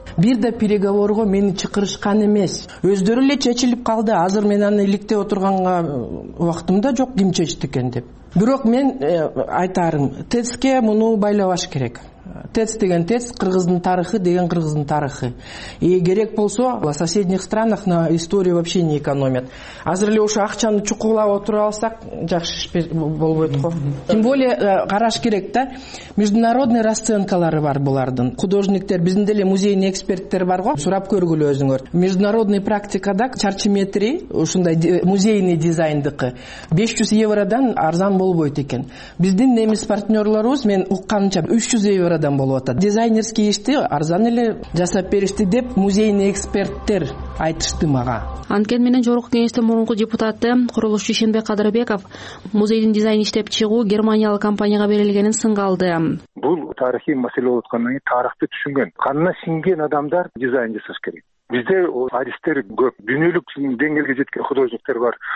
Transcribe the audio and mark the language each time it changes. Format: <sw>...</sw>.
<ky>Бир да переговорго мени чакырышкан эмес. Өздөрү эле чечилип калды. Азыр мен аны иликте отурганга убактым да жок ким чечти экен деп. Бирок мен айтарым, ТЭЦ-ке муну байлабаш керек. ТЭЦ деген ТЭЦ, кыргыздын тарыхы деген кыргыздын тарыхы.</ky> <ru>И</ru> <ky>керек болсо,</ky> <ru>в соседних странах на историю вообще не экономят.</ru> <ky>Азыр эле ошо акчаны чукулап отуруп алсак, жакшы иш болбойт го.</ky> <ru>Тем более</ru> <ky>караш керек да, международный расценкалары бар булардын. Художниктер, биздин деле музейин эксперттери бар го, сурап көргүлө өзүңөр. Международный практикада чарчы метри, ушундай музейный дизайндыкы 500 евродан арзан болбойт экен. Биздин немис партнёрлорубуз мен укканча 300 евро адам болуп атат. Дизайнерский ишти арзан эле жасап беришти деп музейный эксперттер айтышты мага. Анткен менен Жогорку Кеңештин мурунку депутаты курулушчу Ишенбек Кадырбеков музейдин дизайн иштеп чыгуу германиялык компанияга берилгенин сынга алды. Бул тарыхый маселе болуп аткандан кийин тарыхты түшүнгөн, канына сиңген адамдар дизайн жасаш керек. Бизде артисттер көп, дүйнөлүк деңгээлге жеткен художниктер бар.</ky>